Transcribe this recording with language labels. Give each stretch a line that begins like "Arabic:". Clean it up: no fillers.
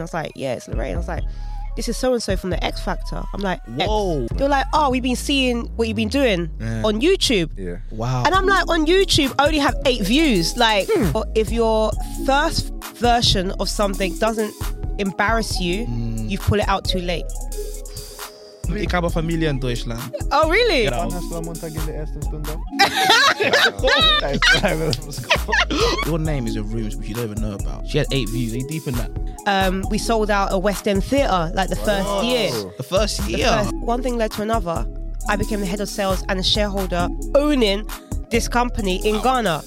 English: I was like, yeah, it's Lorraine. I was like, this is so-and-so from the X Factor. I'm like, X. Whoa. They're like, oh, we've been seeing what you've been doing on YouTube. Yeah. Wow. And I'm like, on YouTube, I only have 8 views. Like, if your first version of something doesn't embarrass you, you pull it out too late.
German: Ich habe Familie in Deutschland.
English: Oh, really?
German: Genau. Wann hast du am Montag in der ersten Stunde?
English: Your name is a room which you don't even know about. She had 8 views. Are you deep in that? We sold out a West End theatre like the first year. The first year? One thing led to another. I became the head of sales and a shareholder owning this company in Ghana.